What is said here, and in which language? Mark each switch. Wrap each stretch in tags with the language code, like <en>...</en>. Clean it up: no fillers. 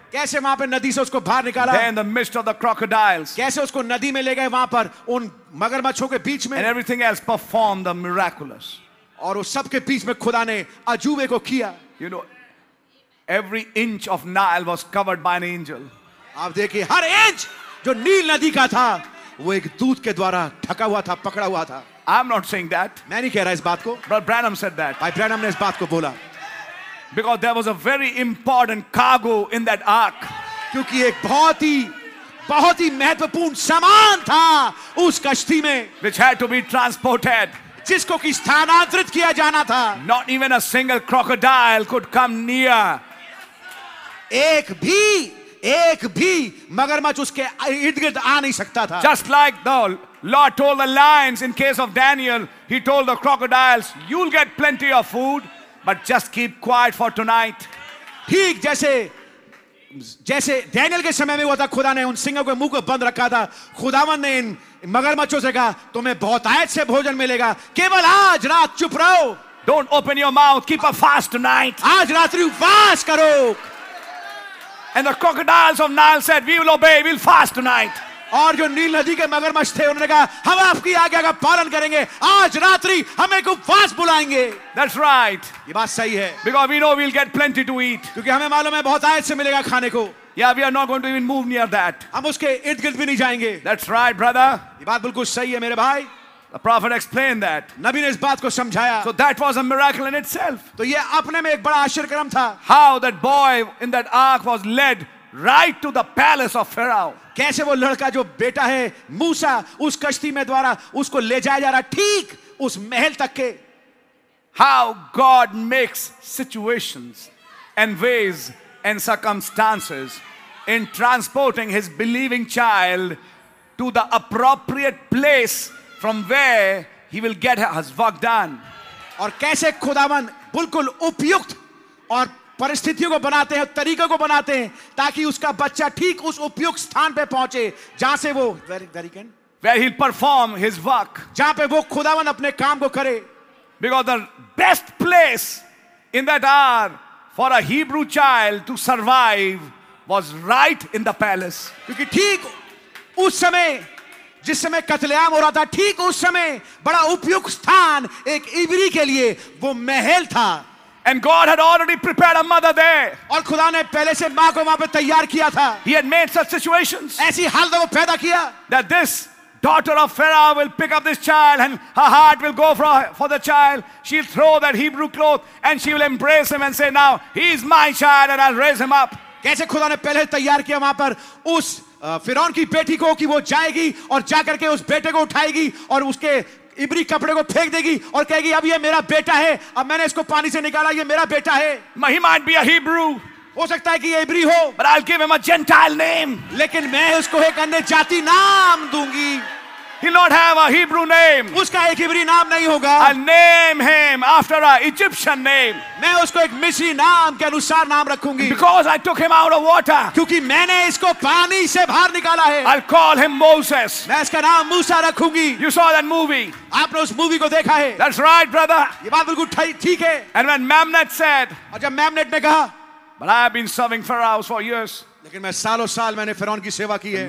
<hi>कैसे वहाँ पे नदी से उसको बाहर निकाला.</hi> <en>There in the midst of the crocodiles.</en> <hi>कैसे उसको नदी में ले गए वहाँ पर उन मगरमच्छों के बीच में.</hi> <en>And everything else performed the miraculous.</en> <hi>और उस सब के बीच में खुदा ने अजूबे को किया.</hi> <en>You know, every inch of Nile was covered by an angel.</en> <hi>आप देखिए हर इंच जो नील नदी का था वो एक दूत के द्वारा ढका हुआ था, पकड़ा हुआ था.</hi> <en>I'm not saying that.</en> <hi>मैं नहीं कह रहा इस बात को.</hi> <en>But Branham said that.</en> <hi>भाई ब्रैनम ने इस बात को बोला.</hi> <en>Because there was a very important cargo in that ark.</en> <hi>क्योंकि एक बहुत ही महत्वपूर्ण सामान था उस कश्ती में.</hi> <en>Which had to be transported.</en> <hi>जिसको कि स्थानांतरित किया जाना था.</hi> <en>Not even a single crocodile could come near.</en> <hi>एक भी मगरमच्छ उसके इर्द गिर्द आ नहीं सकता था.</hi> <en>Just like the Lord told the lions in case of Daniel, he told the crocodiles, you'll get plenty of food, but just keep quiet for tonight.</en> <hi>ठीक जैसे डैनियल के समय में हुआ था, खुदा ने उन सिंह के मुंह को बंद रखा था. खुदावन ने इन मगरमच्छों से कहा तुम्हें बहुतायत से भोजन मिलेगा, केवल आज रात चुप रहो.</hi> <en>Don't open your mouth, keep a fast tonight.</en> <hi>आज रात्रि उपवास करो.</hi> <en>And the crocodiles of Nile said, "We will obey. We'll fast tonight."</en> <hi>और जो नील नदी के मगरमच्छ थे उन्होंने कहा हम आपकी आज्ञा का पालन करेंगे, आज रात्रि हम एक उपवास बुलाएंगे.</hi> <en>That's right.</en> <hi>ये बात सही है.</hi> <en>Because we know we'll get plenty to eat.</en> <hi>क्योंकि हमें मालूम है बहुत आयत से मिलेगा खाने को.</hi> <en>Yeah, we are not going to even move near that.</en> <hi>हम उसके इर्द गिर्द भी नहीं जाएंगे.</hi> <en>That's right, brother.</en> <hi>ये बात बिल्कुल सही है मेरे भाई.</hi> <en>The prophet explained that.</en> <hi>नबी ने इस बात को समझाया.</hi> <en>So that was a miracle in itself.</en> <hi>तो ये अपने में एक बड़ा आश्चर्यकर्म था.</hi> <en>How that boy in that ark was led right to the palace of Pharaoh.</en> <hi>कैसे वो लड़का जो बेटा है मूसा उस कश्ती में द्वारा उसको ले जाया जा रहा ठीक उस महल तक के.</hi> <en>How God makes situations and ways and circumstances in transporting His believing child to the appropriate place. From where he will get his work done.</en> <hi>और कैसे खुदावन बिल्कुल उपयुक्त और परिस्थितियों को बनाते हैं, तरीके को बनाते हैं ताकि उसका बच्चा ठीक उस उपयुक्त स्थान पे पहुंचे जहां से वो</hi> <en>where he'll perform his work.</en> <hi>जहां पे वो खुदावन अपने काम को करे.</hi> <en>Because the best place in that hour for a Hebrew child to survive was right in the palace.</en> <hi>क्योंकि ठीक उस समय जिस समय कतलेआम हो रहा था ठीक उस समय बड़ा उपयुक्त स्थान एक इब्री के लिए वो महल था.</hi> <en>And God had already prepared a mother there.</en> <hi>और खुदा ने पहले से माँ को वहाँ पे तैयार किया था.</hi> <en>He had made such situations.</en> <hi>ऐसी हालत वो पैदा किया.</hi> <en>That this daughter of Pharaoh will pick up this child and her heart will go for the child. She'll throw that Hebrew cloth and she will embrace him and say, "Now he is my child and I'll raise him up."</en> <hi>कैसे खुदा ने पहले तैयार किया वहाँ पर उस फिरौन की बेटी को कि वो जाएगी और जाकर के उस बेटे को उठाएगी और उसके इबरी कपड़े को फेंक देगी और कहेगी अब ये मेरा बेटा है, अब मैंने इसको पानी से निकाला, ये मेरा बेटा है.</hi> <en>He might be a Hebrew.</en> <hi>हो सकता है कि ये इबरी हो.</hi> <en>But I'll give him a Gentile name.</en> <hi>लेकिन मैं उसको एक अन्य जाति नाम दूंगी.</hi> <en>He'll not have a Hebrew name.</en> <hi>उसका एक इब्री नाम नहीं होगा.</hi> <en>I'll name him after a Egyptian name.</en> <hi>मैं उसको एक मिस्री नाम के अनुसार नाम रखूंगी.</hi> <en>Because I took him out of water.</en> <hi>क्योंकि मैंने इसको पानी से बाहर निकाला है.</hi> <en>I'll call him Moses.</en> <hi>मैं इसका नाम मूसा रखूंगी.</hi> <en>You saw that movie.</en> <hi>आपने उस मूवी को देखा है.</hi> <en>That's right, brother.</en> <hi>ये बात बिल्कुल ठीक है.</hi> <en>And when Mamnet said.</en> <hi>और जब Mamnet ने कहा.</hi> <en>But I have been serving Pharaoh for years.</en> <hi>लेकिन मैं सालों साल मैंने फिरौन की सेवा की है.</hi>